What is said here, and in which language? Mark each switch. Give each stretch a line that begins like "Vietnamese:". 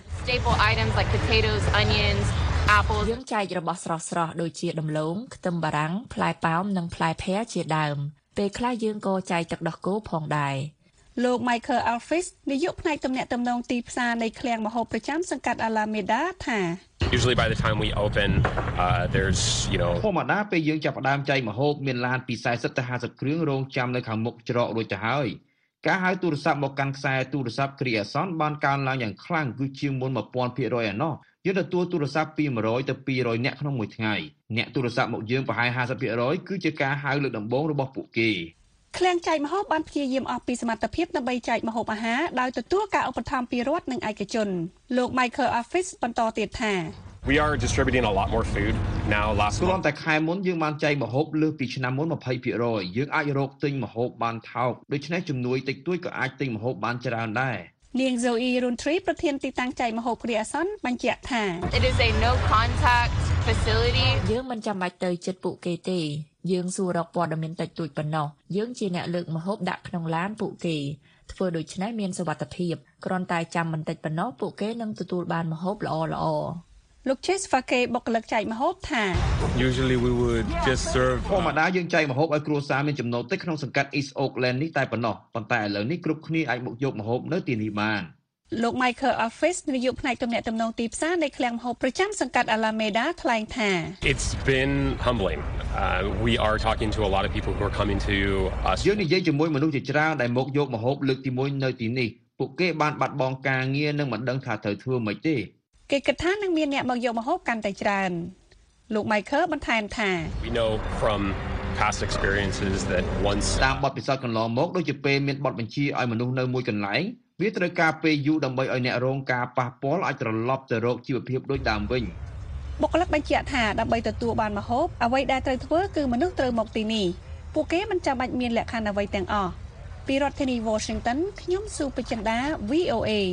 English: Staple items like potatoes, onions, apples
Khmer: យើងចែករបស់ស្រស់ៗដូចជាដំឡូងខ្ទឹមបារាំងផ្លែប៉ោមនិងផ្លែផ្ញៀវជាដើមពេលខ្លះយើងក៏ចែកទឹកដោះគោផងដែរ លោក Michael Alphys នាយកផ្នែកទំនាក់ទំនងទីផ្សារនៃឃ្លាំងម្ហូបប្រចាំសង្កាត់ Alameda ថា
English: Usually by the time we open there's you know
Khmer: ធម្មតាពេលយើងចាប់ផ្ដើមចែកម្ហូបមានឡានពី40ទៅ50គ្រឿងរង់ចាំនៅខាងមុខច្រករួចទៅហើយការហៅទូរស័ព្ទមកកាន់ខ្សែទូរស័ព្ទគ្រាអាសន្នបានកើនឡើងយ៉ាងខ្លាំងគឺជាមុន 1,000% ឯណោះយើងទទួលទូរស័ព្ទពី100ទៅ200អ្នកក្នុងមួយថ្ងៃអ្នកទូរស័ព្ទមកយើងប្រហែល 50% គឺជាការហៅលើកដំបូងរបស់ពួកគេ ឃ្លាំងចែកម្ហូបបានព្យាយាមអស់ពីសមត្ថភាពដើម្បីចែកម្ហូបអាហារដោយទទួលការឧបត្ថម្ភពីរដ្ឋនិងឯកជនលោក Michael Office បន្តទៀតថា
English: We are distributing a lot more food now last
Khmer: month. ក្នុងតែខែមុនយើងបានចែកម្ហូបលើសពីឆ្នាំមុន 20% យើងអាចរកទិញម្ហូបបានថោកដូច្នេះចំនួនតិចតួចក៏អាចទិញម្ហូបបានច្រើនដែរ នាង Zoe Rontree ប្រធានទីតាំងចែកម្ហូបគ្រាអាសន្នបញ្ជាក់ថា
English: It is a no contact facility.
Khmer: យើងមិនចាំបាច់ទៅជិតពួកគេទេយើងសួររកព័ត៌មានតិចតួចប៉ុណ្ណោះយើងជាអ្នកលើកម្ហូបដាក់ក្នុងឡានពួកគេធ្វើដូច្នេះមានសុវត្ថិភាពគ្រាន់តែចាំបន្តិចប៉ុណ្ណោះពួកគេនឹងទទួលបានម្ហូបល្អល្អ លោក Chase Fake បុគ្គលិកចែកម្ហូបថា
English: Usually we would just serve
Khmer: ធម្មតាយើងចែកម្ហូបឲ្យគ្រួសារមានចំណូលតិចក្នុងសង្កាត់ East Oakland នេះតែប៉ុណ្ណោះប៉ុន្តែឥឡូវនេះគ្រប់គ្នាអាចមកយកម្ហូបនៅទីនេះបាន លោក Michael Office នាយកផ្នែកទំនាក់ទំនងទីផ្សារនៃឃ្លាំងម្ហូបប្រចាំសង្កាត់ Alameda ថ្លែងថា
English: It's been humbling. We are talking to a lot of people who are coming to us.
Khmer: យើងនិយាយជាមួយមនុស្សជាច្រើនដែលមកយកម្ហូបលើកទី1នៅទីនេះពួកគេបានបាត់បង់ការងារនិងមិនដឹងថាត្រូវធ្វើម៉េចទេ គេគិតថានឹងមានអ្នកមកយកម្ហូបកាន់តែច្រើនលោក Michael បន្ថែមថា
English: We know from past experiences that once
Khmer: តាមបទពិសោធន៍កន្លងមកដូចជាពេលមានបទបញ្ជាឲ្យមនុស្សនៅមួយកន្លែងវាត្រូវការពេលយូរដើម្បីឲ្យអ្នករងការប៉ះពាល់អាចត្រឡប់ទៅរកជីវភាពដូចដើមវិញ បុគ្គលិកបញ្ជាក់ថាដើម្បីទទួលបានម្ហូបអ្វីដែលត្រូវធ្វើគឺមនុស្សត្រូវមកទីនេះពួកគេមិនចាំបាច់មានលក្ខខណ្ឌអ្វីទាំងអស់ពីរដ្ឋធានី Washington ខ្ញុំស៊ូបច្ចិន្តា VOA